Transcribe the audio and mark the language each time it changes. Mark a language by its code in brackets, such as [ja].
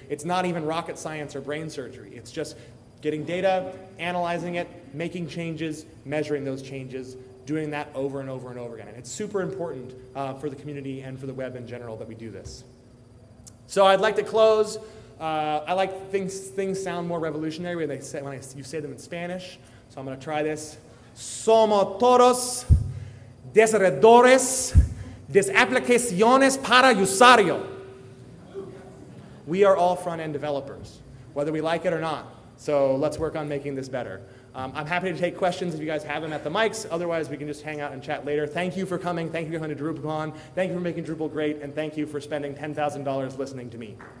[en] It's not even rocket science or brain surgery. It's just getting data, analyzing it, making changes, measuring those changes, doing that over and over and over again. And it's super important for the community and for the web in general that we do this. So I'd like to close. I like things sound more revolutionary when you say them in Spanish. So I'm going to try this. [es] Somos todos desarrolladores de aplicaciones para usuario. [en] We are all front-end developers, whether we like it or not. So let's work on making this better. I'm happy to take questions if you guys have them at the mics. Otherwise, we can just hang out and chat later. Thank you for coming. Thank you for coming to DrupalCon. Thank you for making Drupal great. And thank you for spending $10,000 listening to me.